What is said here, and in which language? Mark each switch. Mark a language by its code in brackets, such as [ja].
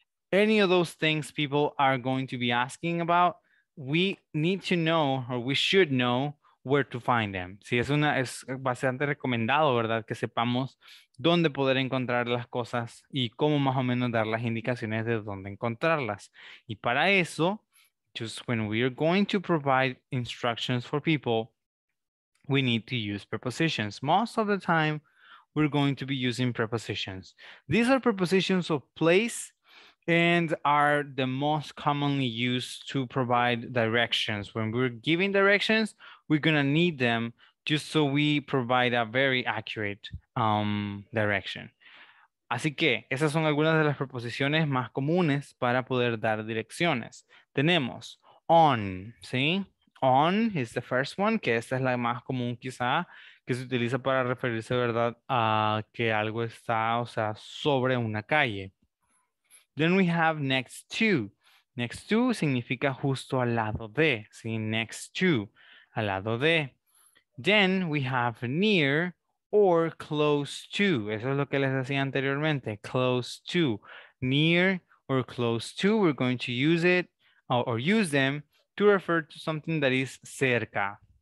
[en] Any of those things people are going to be asking about, we need to know, or we should know, where to find them. [es] Sí, es bastante recomendado, ¿verdad?, que sepamos dónde poder encontrar las cosas y cómo más o menos dar las indicaciones de dónde encontrarlas. Y para eso, [en] just when we are going to provide instructions for people, we need to use prepositions. Most of the time, we're going to be using prepositions. These are prepositions of place and are the most commonly used to provide directions. When we're giving directions, we're gonna need them just so we provide a very accurate direction. [es] Así que esas son algunas de las preposiciones más comunes para poder dar direcciones. Tenemos on, ¿sí? On is the first one, que esta es la más común quizá, que se utiliza para referirse, ¿verdad?, a que algo está, o sea, sobre una calle. [en] Then we have next to. [es] Next to significa justo al lado de, ¿sí? Next to, al lado de. [en] Then we have near or close to. [es] Eso es lo que les decía anteriormente, close to. [en] Near or close to, we're going to use it or use them to refer to something that is cerca.